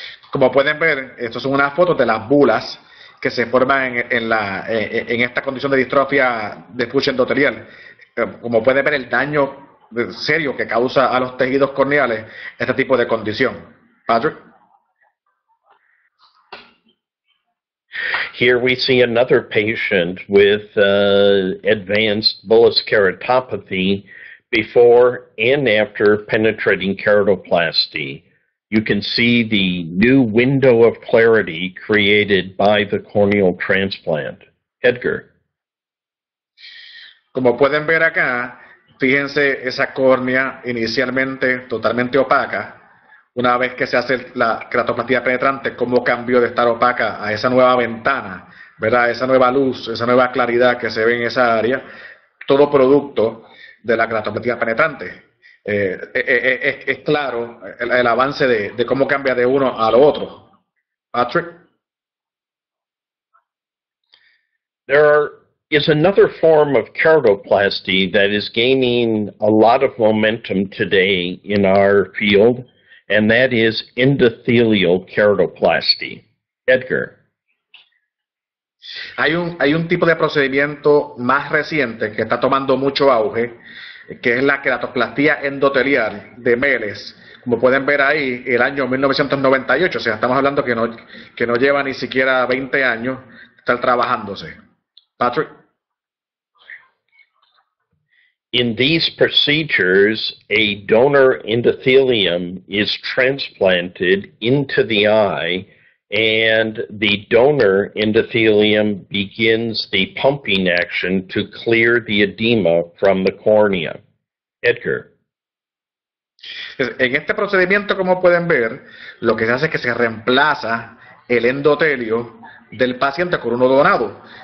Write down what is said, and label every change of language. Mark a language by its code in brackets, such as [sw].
[es] Como pueden ver, estas son unas fotos de las bulas que se forman en esta condición de distrofia de Fuchs endotelial. Como pueden ver, el daño serio que causa a los tejidos corneales este tipo de condición. Patrick. [en] Here we see another patient with advanced bullous keratopathy before and after penetrating keratoplasty. You can see the new window of clarity created by the corneal transplant. Edgar. [es] Como pueden ver acá, fíjense esa córnea inicialmente totalmente opaca. Una vez que se hace la queratoplastia penetrante, cómo cambió de estar opaca a esa nueva ventana, ¿verdad? Esa nueva luz, esa nueva claridad que se ve en esa área, todo producto de la queratoplastia penetrante. Es claro el avance de cómo cambia de uno al otro. Patrick. [en] There is another form of keratoplasty that is gaining a lot of momentum today in our field, and that is endothelial keratoplasty. Edgar. [es] Hay un tipo de procedimiento más reciente que está tomando mucho auge, que es la queratoplastia endotelial de Meles. Como pueden ver ahí, el año 1998, o sea, estamos hablando que no lleva ni siquiera 20 años estar trabajándose. Patrick. [en] In these procedures, a donor endothelium is transplanted into the eye, and the donor endothelium begins the pumping action to clear the edema from the cornea. Edgar. [es] En este procedimiento, como pueden ver, lo que se hace es que se reemplaza el endotelio del paciente con uno donado.